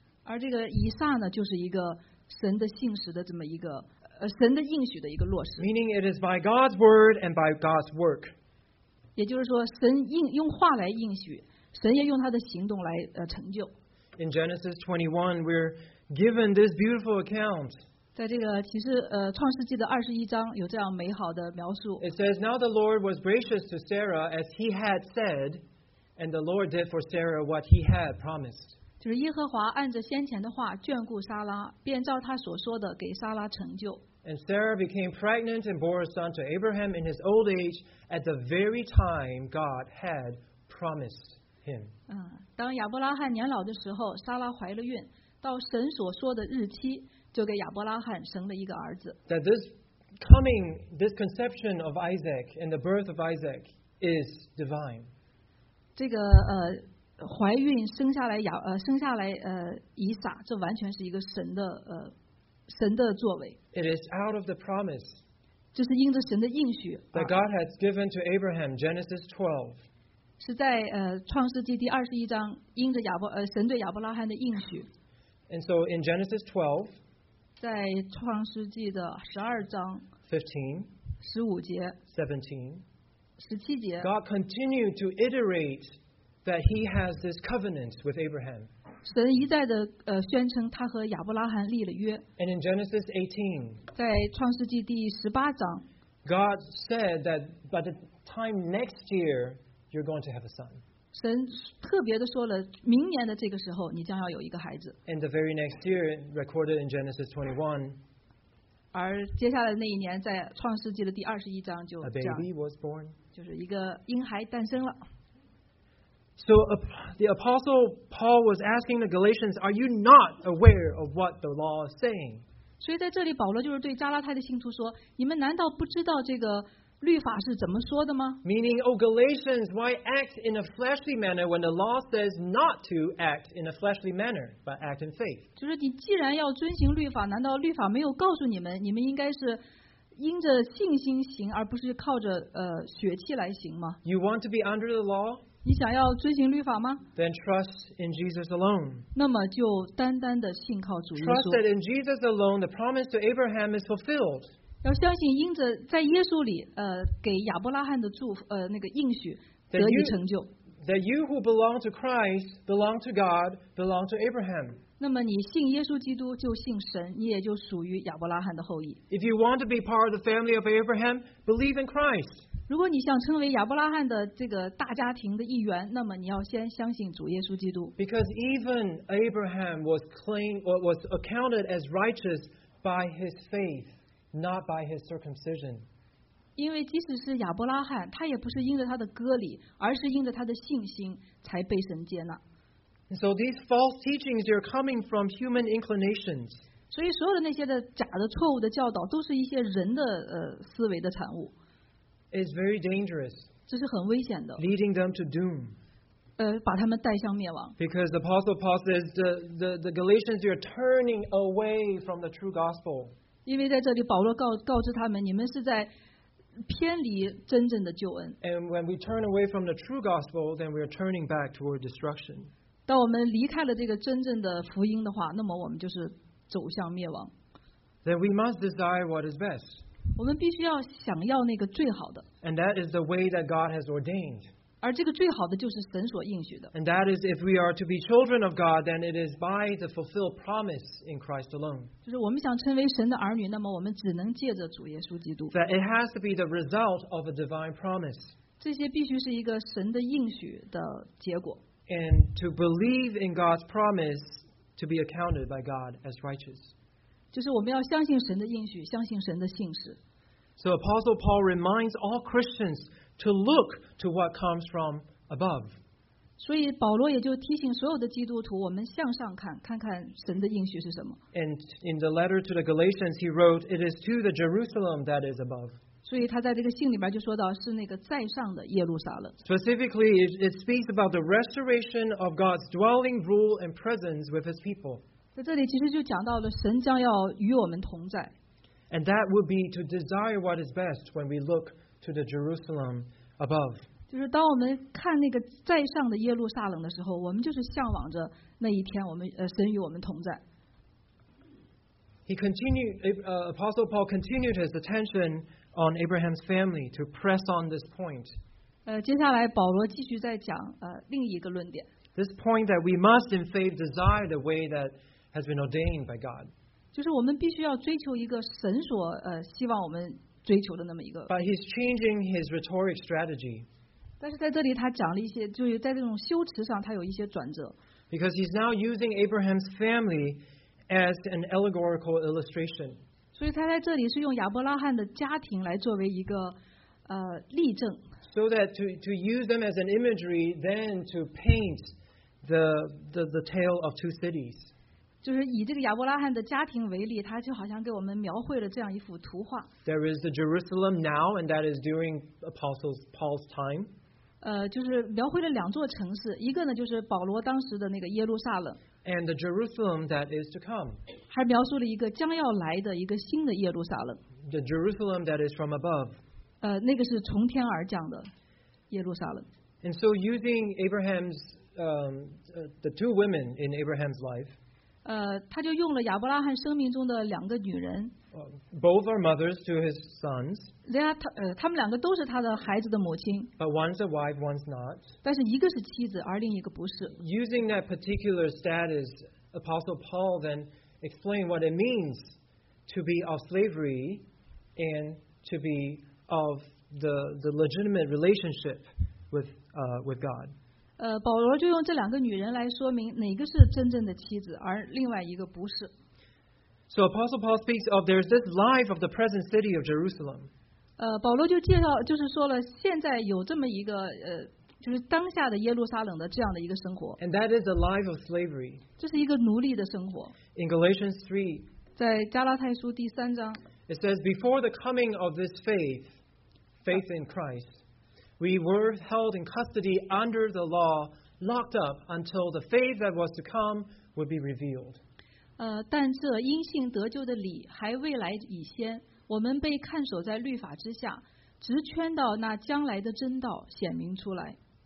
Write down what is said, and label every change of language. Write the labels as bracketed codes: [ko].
[zh] 而这个以撒呢，就是一个神的信实的这么一个神的应许的一个落实。 [en] Meaning it is by God's word and by God's work. [zh] 也就是说，神用话来应许，神也用他的行动来成就。 [en] In Genesis 21, we're given this beautiful account. [zh] 在这个启示创世纪的二十一章有这样美好的描述。 [en] It says, "Now the Lord was gracious to Sarah as He had said." And the Lord did for Sarah what he had promised. [zh] 就是耶和华按着先前的话眷顾撒拉，便照他所说的给撒拉成就。 [en] And Sarah became pregnant and bore a son to Abraham in his old age at the very time God had promised him. [zh] 当亚伯拉罕年老的时候，撒拉怀了孕，到神所说的日期，就给亚伯拉罕生了一个儿子。 [en] That this coming, this conception of Isaac and the birth of Isaac is divine. [zh] 这个怀孕生下来生下来以撒，这完全是一个神的神的作为。 [en] It is out of the promise. [zh] 这是因着神的应许。 [en] That God has given to Abraham, Genesis 12. [zh] 是在创世纪第二十一章，因着亚伯神对亚伯拉罕的应许。 [en] And so in Genesis 12. [zh] 在创世纪的十二章。 [en] 15. [zh] 十五节。 [en] 17. [zh] 17节, [en] God continued to iterate that He has this covenant with Abraham. [zh] 神一再的宣称他和亚伯拉罕立了约。 [en] And in Genesis 18, [zh] 在创世纪第十八章, [en] God said that by the time next year, you're going to have a son. [zh] 神特别的说了，明年的这个时候，你将要有一个孩子。 [en] And the very next year, recorded in Genesis 21. [zh] 而接下来那一年，在创世纪的第二十一章就这样 [en] ，A baby was born. [zh] 就是一个婴孩诞生了。 [en] So the apostle Paul was asking the Galatians, "Are you not aware of what the law is saying?" [zh] 所以在这里，保罗就是对加拉太的信徒说：“你们难道不知道这个律法是怎么说的吗 [en] ？”Meaning, O Galatians, why act in a fleshly manner when the law says not to act in a fleshly manner, but act in faith? [zh] 就是你既然要遵行律法，难道律法没有告诉你们，你们应该是因着信心行，而不是靠着血气来行吗 [en] ？You want to be under the law? [zh] 你想要遵行律法吗 [en] ？Then trust in Jesus alone. [zh] 那么就单单的信靠主耶稣。 [en] Trust that in Jesus alone, the promise to Abraham is fulfilled. [zh] 要相信因着在耶稣里给亚伯拉罕的祝福那个应许得以成就。 [en] That you who belong to Christ belong to God, belong to Abraham. [zh] 那么你信耶稣基督就信神，你也就属于亚伯拉罕的后裔。 [en] If you want to be part of the family of Abraham, believe in Christ. [zh] 如果你想成为亚伯拉罕的这个大家庭的一员，那么你要先相信主耶稣基督。 [en] Because even Abraham was accounted as righteous by his faith. Not by his circumcision. [zh] 因为即使是亚伯拉罕，他也不是因着他的割礼，而是因着他的信心才被神接纳。 [en] So these false teachings are coming from human inclinations. [zh] 所以所有的那些的假的、错误的教导，都是一些人的思维的产物。 [en] It's very dangerous. [zh] 这是很危险的。 [en] Leading them to doom. [zh] 把他们带向灭亡。 [en] Because the Apostle Paul says the Galatians are turning away from the true gospel. [zh] 因为在这里保罗告知他们你们是在偏离真正的救恩。 [en] And when we turn away from the true gospel, then we are turning back toward destruction. [zh] 当我们离开了这个真正的福音的话，那么我们就是走向灭亡。 [en] Then we must desire what is best. [zh] 我们必须要想要那个最好的。 [en] And that is the way that God has ordained. [zh] 而这个最好的就是神所应许的。 [en] And that is if we are to be children of God, then it is by the fulfilled promise in Christ alone. [zh] 就是我们想成为神的儿女，那么我们只能借着主耶稣基督。 [en] That it has to be the result of a divine promise. [zh] 这些必须是一个神的应许的结果。 [en] And to believe in God's promise to be accounted by God as righteous. [zh] 就是我们要相信神的应许，相信神的信实。 [en] So Apostle Paul reminds all Christians to look to what comes from above. [zh] 所以保罗也就提醒所有的基督徒，我们向上看，看看神的应许是什么。 [en] And in the letter to the Galatians, he wrote, "It is to the Jerusalem that is above." [zh] 所以他在这个信里边就说到是那个在上的耶路撒冷。 [en] Specifically, it speaks about the restoration of God's dwelling, rule, and presence with His people. [zh] 在这里其实就讲到了神将要与我们同在。 [en] And that would be to desire what is best when we look. To the Jerusalem above. [zh] 就是当我们看那个在上的耶路撒冷的时候，我们就是向往着那一天，我们神与我们同在。 [en] He continued, Apostle Paul continued his attention on Abraham's family to press on this point. [zh] 接下来保罗继续在讲另一个论点。 [en] This point that we must in faith desire the way that has been ordained by God. [zh] 就是我们必须要追求一个神所希望我们。追求的那么一个 [en] But he's changing his rhetoric strategy. [zh] 但是在这里他讲了一些，就是在这种修辞上他有一些转折。 [en] Because he's now using Abraham's family as an allegorical illustration. [zh] 所以他在这里是用亚伯拉罕的家庭来作为一个例证。 [en] So that to use them as an imagery, then to paint the tale of two cities. [zh] 就是以这个亚伯拉罕的家庭为例，他就好像给我们描绘了这样一幅图画。 [en] There is the Jerusalem now, and that is during Apostle Paul's time. [zh] 就是描绘了两座城市，一个呢就是保罗当时的那个耶路撒冷。 [en] And the Jerusalem that is to come. [zh] 还描述了一个将要来的一个新的耶路撒冷。 [en] The Jerusalem that is from above. [zh] 那个是从天而降的耶路撒冷。 [en] And so using Abraham's, the two women in Abraham's life, [zh] 他就用了亚伯拉罕生命中的两个女人。 [en] Both are mothers to his sons. [zh] 他们两个都是他的孩子的母亲。 [en] But one's a wife, one's not. [zh] 但是一个是妻子，而另一个不是。 [en] Using that particular status, Apostle Paul then explained what it means to be of slavery and to be of the legitimate relationship with God. [zh] 保罗就用这两个女人来说明哪个是真正的妻子，而另外一个不是。 [en] So Apostle Paul speaks of there's this life of the present city of Jerusalem. [zh] 保罗就介绍，就是说了现在有这么一个就是当下的耶路撒冷的这样的一个生活。 [en] And that is a life of slavery. [zh] 这是一个奴隶的生活。 [en] In Galatians 3, [zh] 在加拉太书第三章， [en] it says before the coming of this faith in Christ. We were held in custody under the law, locked up until the faith that was to come would be revealed. [zh] 但这因信得救的理还未来以先，我们被看守在律法之下，直圈到那将来的真道显明出来。